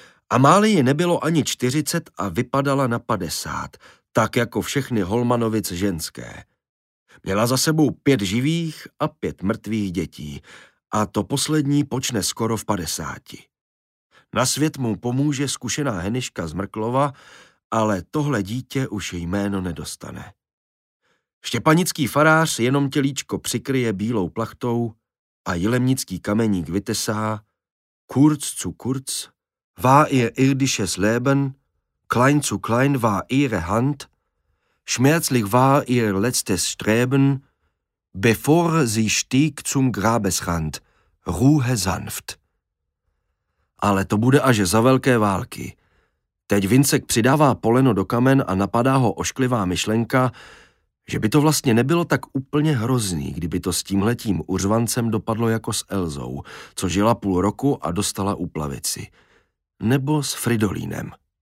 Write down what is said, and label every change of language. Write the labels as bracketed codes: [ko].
[cs] Amálii nebylo ani 40 a vypadala na 50, tak jako všechny holmanovic ženské. Měla za sebou 5 živých a 5 mrtvých dětí a to poslední počne skoro v 50. Na svět mu pomůže zkušená Heniška z Mrklova, ale tohle dítě už jméno nedostane. Štěpanický farář jenom tělíčko přikryje bílou plachtou a jilemnický kameník vytesá [de] Kurz zu kurz, war ihr irdisches Leben, klein zu klein war ihre Hand, schmerzlich war ihr letztes Streben, bevor sie stieg zum Grabesrand, Ruhe sanft. [cs] Ale to bude až za velké války. Teď Vincek přidává poleno do kamen a napadá ho ošklivá myšlenka, že by to vlastně nebylo tak úplně hrozný, kdyby to s tímhletím uřvancem dopadlo jako s Elzou, co žila půl roku a dostala úplavici. Nebo s Fridolínem.